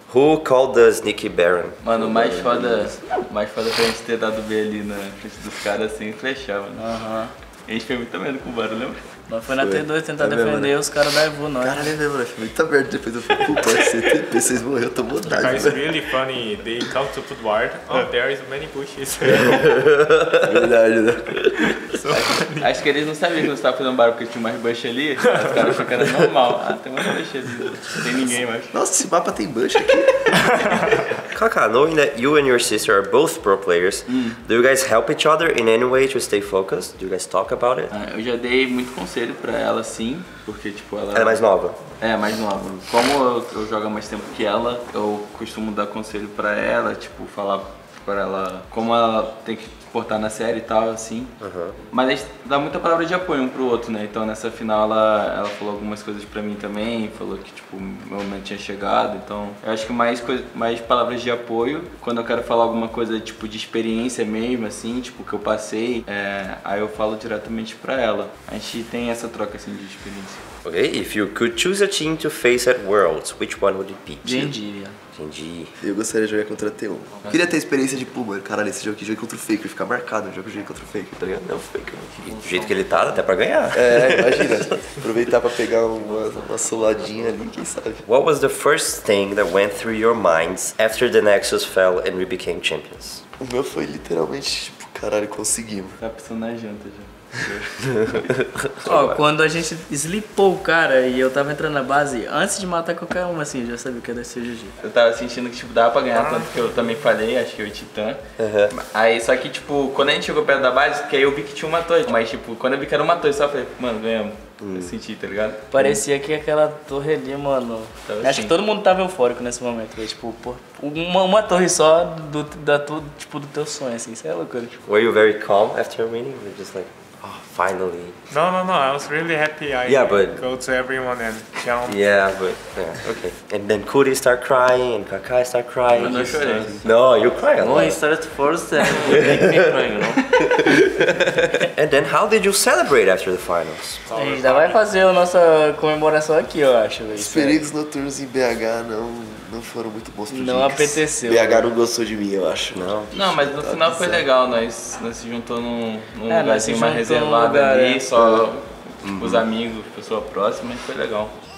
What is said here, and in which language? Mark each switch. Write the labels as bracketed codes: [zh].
[en] Who called us Nicky Baron? [pt] Mano, mais foda foi a gente ter dado B ali na frente dos caras, assim, flechar, mano. Aham. Uhum. A gente foi muito medo com o Baron, lembra? Mas foi na T2 tentar defender, mano. Os caras da Evo, nós. Cara, lembra, foi muito aberto depois do Fupu, pode ser TP, vocês morreram, eu tô mudado. [en] It's really funny, they come to put ward, there is many bushes. [pt] Verdade, né? Acho que eles não sabiam que você tava fazendo barulho, porque tinha mais bush ali, os caras ficaram normal. Ah, tem mais bush ali, não tem ninguém mais. Nossa, esse mapa tem bush aqui? [en] Kaká, knowing that you and your sister are both pro players, do you guys help each other in any way to stay focused? Do you guys talk about it? [pt] Eu já dei muito conselho pra ela, sim, porque tipo, ela... ela é mais nova. É, mais nova. Como eu jogo mais tempo que ela, eu costumo dar conselho pra ela, tipo, falar pra ela como ela tem que portar na série e tal, assim. Uhum. Mas a gente dá muita palavra de apoio um pro outro, né? Então nessa final ela falou algumas coisas pra mim também, falou que tipo, meu momento tinha chegado. Então eu acho que mais palavras de apoio. Quando eu quero falar alguma coisa tipo de experiência mesmo, assim, tipo, que eu passei, aí eu falo diretamente pra ela. A gente tem essa troca assim de experiência. [en] Ok, if you could choose a team to face at Worlds, which one would you pick? Gendiria. [pt] Entendi. Eu gostaria de jogar contra a T1. Queria ter a experiência de Puma, caralho, esse jogo aqui, joguei contra o Faker, fica ficar marcado o jogo de contra o Fake, tá ligado? Não, Fake. Do jeito que ele tá, dá até pra ganhar. É, imagina. Aproveitar pra pegar uma soladinha ali, quem sabe. [en] What was the first thing that went through your minds after the Nexus fell and we became champions? [pt] O meu foi literalmente, tipo, caralho, conseguimos. Tá pensando na janta já. Ó, quando a gente slipou o cara e eu tava entrando na base, antes de matar qualquer um, assim, eu já sabia que ia ser o GG. Eu tava sentindo que, tipo, dava pra ganhar, tanto que eu também falei, acho que o Titã. Uhum. Aí, só que, tipo, quando a gente chegou perto da base, que aí eu vi que tinha uma torre. Mas, tipo, quando eu vi que era uma torre, só eu falei, mano, ganhamos. Eu senti, tá ligado? Parecia que aquela torre ali, mano. Assim. Acho que todo mundo tava eufórico nesse momento. Né? Tipo, pô, uma torre só do teu sonho, assim, isso é loucura. Tipo. [en] Were you very calm after winning? You're just like. Finally. No. I was really happy. I go to everyone and jump. Yeah, but yeah. Okay. And then Kuri start crying and Kakai start crying. No, sure. No, you cry a lot. No, he started first and he made me cry, you know. And then how did you celebrate after the finals? [pt] A gente ainda vai fazer a nossa comemoração aqui, eu acho. Os períodos noturnos em BH não foram muito bons pro Jinx. Não apeteceu. BH não gostou de mim, eu acho. Não, não, mas no final foi legal. Nós se juntou num lugar assim mais reservado ali. Só os amigos, pessoa próxima, e foi legal.